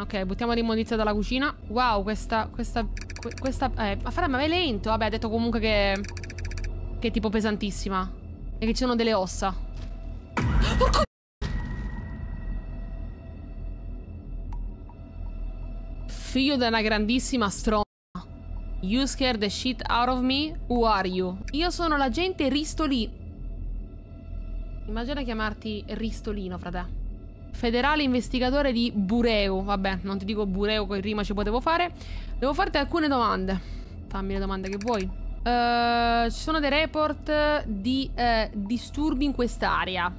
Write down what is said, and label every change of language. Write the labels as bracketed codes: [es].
[it] Ok, buttiamo l'immondizia dalla cucina. Wow, questa... Ma frate, ma vai lento. Vabbè, ha detto comunque che... Che è tipo pesantissima. E che ci sono delle ossa. Porco... Figlio di una grandissima stronza. [en] You scared the shit out of me? Who are you? [it] Io sono l'agente Ristolino. Immagina chiamarti Ristolino, frate. Federale investigatore di Bureu. Vabbè, non ti dico Bureu, con rima ci potevo fare. Devo farti alcune domande. Fammi le domande che vuoi. Ci sono dei report di disturbi in quest'area.